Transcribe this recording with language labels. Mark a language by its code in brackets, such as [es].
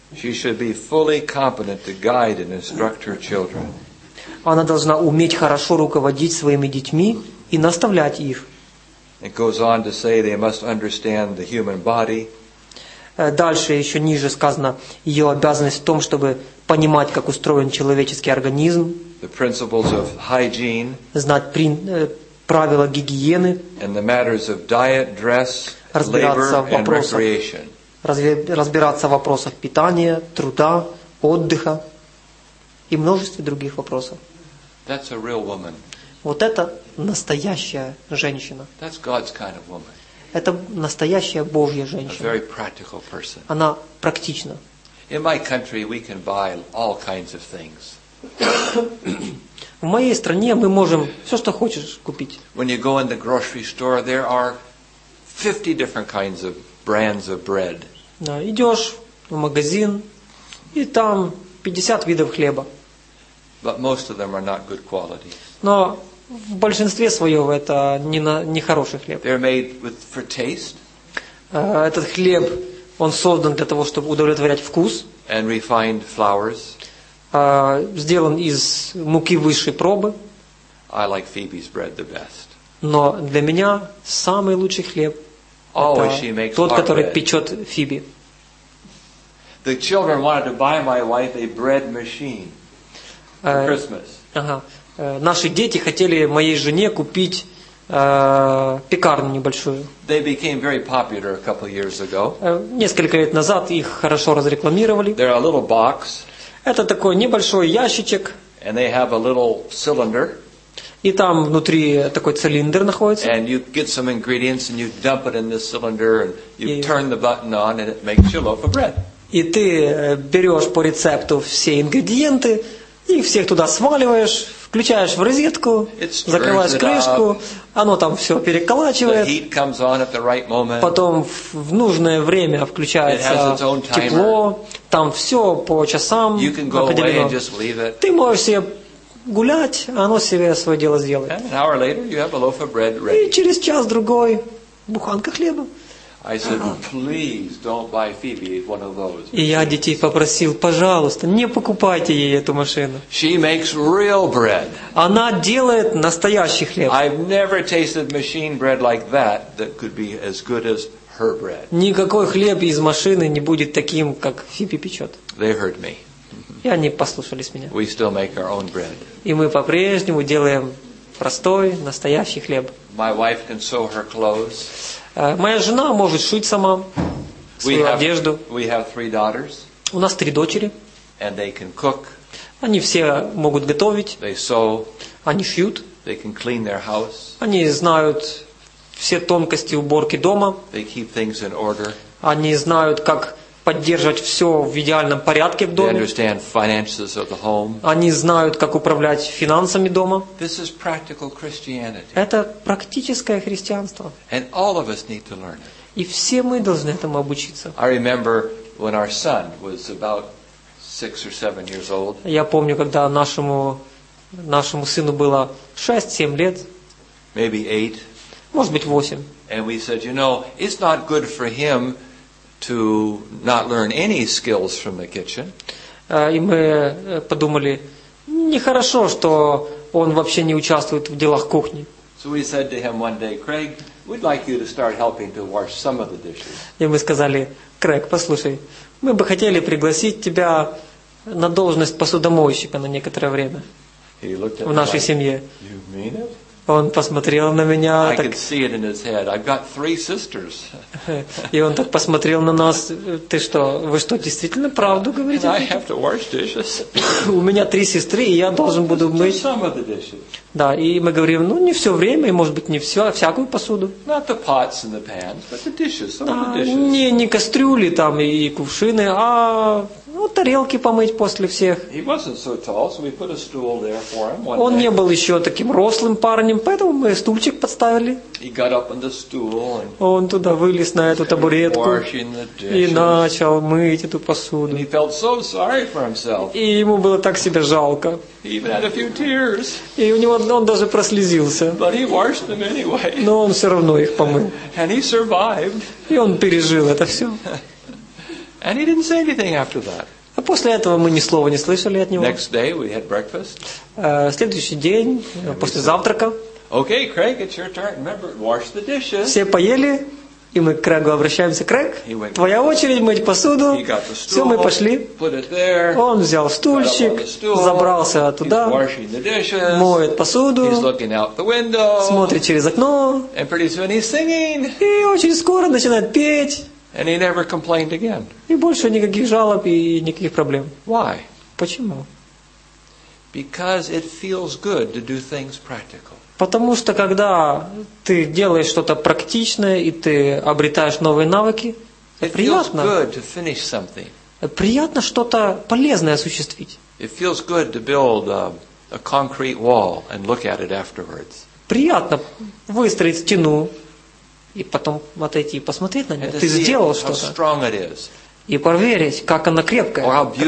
[en] She should be fully competent to guide and instruct her children. [ru] Она должна уметь хорошо руководить своими детьми и наставлять их. [en] It goes on to say they must understand the human body. [ru] Дальше еще ниже сказано ее обязанность в том, чтобы понимать, как устроен человеческий организм. [en] The principles of hygiene. [ru] Знать правила гигиены. [en] And the matters of diet, dress, labor, and recreation. [ru] Разбираться в вопросах питания, труда, отдыха и множестве других вопросов. [en] That's a real woman. [ru] Вот это настоящая женщина. [en] That's God's kind of woman. [ru] Это настоящая Божья женщина. [en] A very practical person. [ru] Она практична. [en] In my country we can buy all kinds of things. [ru] В моей стране мы можем все, что хочешь, купить. [en] When you go in the grocery store, there are 50 different kinds of brands of bread. [ru] Да, идешь в магазин, и там 50 видов хлеба. [en] But most of them are not good quality. [ru] Но в большинстве своем это не хороший хлеб. [en] They're made with, for taste. [ru] Этот хлеб, он создан для того, чтобы удовлетворять вкус. [en] And refined flours. [ru] Сделан из муки высшей пробы. [en] I like Phoebe's bread the best. [ru] Но для меня самый лучший хлеб тот, который печет Фиби. [en] The children wanted to buy my wife a bread machine. Christmas. [ru] Наши дети хотели моей жене купить пекарню небольшую. [en] They became very popular a couple years ago. [ru] Несколько лет назад их хорошо разрекламировали. [en] They're a little box. [ru] Это такой небольшой ящичек. [en] And they have a little cylinder. [ru] И там внутри такой цилиндр находится. [en] And you get some ingredients and you dump it in this cylinder and you turn the button on and it makes you a loaf of bread. [ru] И ты берешь по рецепту все ингредиенты. И всех туда сваливаешь, включаешь в розетку, закрываешь крышку, оно там все переколачивает. Потом в нужное время включается тепло, там все по часам определено. Ты можешь себе гулять, а оно себе свое дело сделает. И через час-другой буханка хлеба. [en] I said, please don't buy Phoebe one of those. [ru] И я детей попросил, пожалуйста, не покупайте ей эту машину. [en] She makes real bread. [ru] Она делает настоящий хлеб. [en] I've never tasted machine bread like that that could be as good as her bread. [ru] Никакой хлеб из машины не будет таким, как Фиби печет. [en] They heard me. [ru] И они послушались меня. [en] We still make our own bread. [ru] И мы по-прежнему делаем простой, настоящий хлеб. [en] My wife can sew her clothes. [ru] Моя жена может шить сама свою одежду. [en] We have three daughters. [ru] У нас три дочери. [en] And they can cook. [ru] Они все могут готовить. [en] They sew. [ru] Они шьют. [en] They can clean their house. [ru] Они знают все тонкости уборки дома. [en] They keep things in order. [ru] Они знают, как поддерживать все в идеальном порядке в доме. [en] They understand finances of the home. [ru] Они знают, как управлять финансами дома. [en] This is practical Christianity. [ru] Это практическое христианство. [en] And all of us need to learn it. [ru] И все мы должны этому обучиться. [en] I remember when our son was about 6 or 7 years old. [ru] Я помню, когда нашему сыну было 6-7 лет. [en] Maybe 8. [ru] Может быть, 8. [en] And we said, you know, it's not good for him to not learn any skills from the kitchen. [ru] И мы подумали, нехорошо, что он вообще не участвует в делах кухни. [en] So we said to him one day, Craig, we'd like you to start helping to wash some of the dishes. [ru] И мы сказали, Крейг, послушай, мы бы хотели пригласить тебя на должность посудомойщика на некоторое время в нашей семье. [en] You mean it? [ru] Он посмотрел на меня. [en] I could see it in his head. I've got three sisters. [ru] И он так посмотрел на нас. Ты что, вы что, действительно правду говорите? [en] I have to wash dishes. [ru] У меня три сестры, и я должен буду мыть. [en] Some of the dishes. [ru] Да, и мы говорим, ну, не все время, и, может быть, не все, а всякую посуду. [en] Not the pots and the pans, but the dishes, some of the dishes. [ru] Не кастрюли там и кувшины, а тарелки помыть после всех. [en] He wasn't so tall, so we put a stool there for him. [ru] Он не был еще таким рослым парнем, поэтому мы стульчик подставили. [en] He got up on the stool and [ru] он туда вылез на эту табуретку и начал мыть эту посуду. [en] And he felt so sorry for himself. [ru] И ему было так себя жалко. [en] He even had a few tears. [ru] И у него он даже прослезился. [en] But he washed them anyway. [ru] Но он все равно их помыл. [en] And he survived. [ru] И он пережил это все. [en] And he didn't say anything after that. [ru] А после этого мы ни слова не слышали от него. [en] Next day we had breakfast. [ru] Следующий день, [en] and [ru] после завтрака. [en] Okay, Craig, it's your turn. Remember, wash the dishes. [ru] Все поели, и мы к Крейгу обращаемся. Крейг, твоя очередь мыть посуду. [en] He got the stool. [ru] Все, мы пошли. [en] Put it there. [ru] Он взял стульчик, забрался туда. [en] He's washing the dishes. [ru] Моет посуду. [en] He's looking out the window. [ru] Смотрит через окно. [en] And pretty soon he's singing. [ru] И очень скоро начинает петь. [en] And he never complained again. [ru] И больше никаких жалоб и никаких проблем. [en] Why? [ru] Почему? [en] Because it feels good to do things practical. [ru] Потому что когда ты делаешь что-то практичное и ты обретаешь новые навыки, [en] it [ru] приятно. [en] Feels good to finish something. [ru] Приятно что-то полезное осуществить. [en] It feels good to build a concrete wall and look at it afterwards. [ru] Приятно выстроить стену. И потом отойти и посмотреть на нее. Ты сделал что-то. И проверить, как она крепкая.